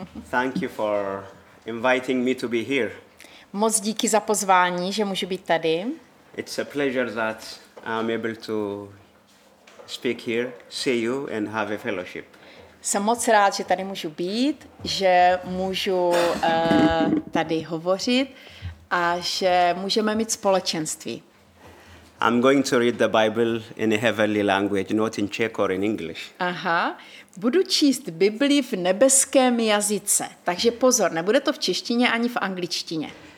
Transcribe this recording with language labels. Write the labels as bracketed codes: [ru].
[en] Thank you for inviting me to be here. [cs] Moc díky za pozvání, že můžu být tady. [en] It's a pleasure that I'm able to speak here, see you and have a fellowship. [cs] Jsem moc rád, že tady můžu být, že můžu tady hovořit a že můžeme mít společenství. [en] I'm going to read the Bible in a heavenly language, not in Czech or in English. Aha. [cs] Budu číst Bibli v nebeském jazyce. Takže pozor, nebude to v češtině ani v angličtině.